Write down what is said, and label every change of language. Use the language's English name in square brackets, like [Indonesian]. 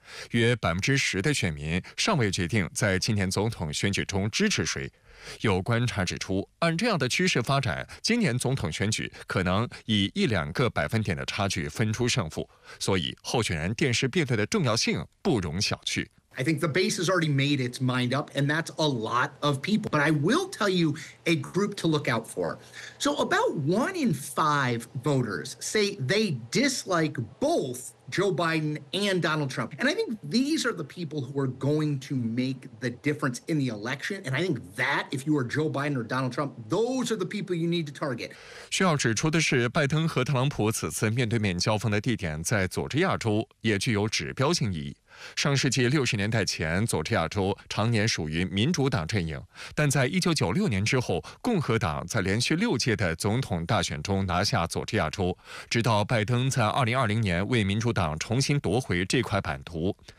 [Chinese] 约10%的选民尚未决定在今年总统选举中支持谁。有观察指出，按这样的趋势发展，今年总统选举可能以一两个百分点的差距分出胜负，所以候选人电视辩论的重要性不容小觑。 [English] I think the base has already made its mind up, and that's a lot of people. But I will tell you a group to look out for. So about 1 in 5 voters say they dislike both Joe Biden and Donald Trump. And I think these are the people who are going to make the difference in the election. And I think that, if you are Joe Biden or Donald Trump, those are the people you need to target. [Chinese] 需要指出的是，拜登和特朗普此次面对面交锋的地点在佐治亚州，也具有指标性意义。上世纪60年代前，佐治亚州常年属于民主党阵营，但在1996年之后，共和党在连续6届的总统大选中拿下佐治亚州，直到拜登在2020年为民主党重新夺回这块版图。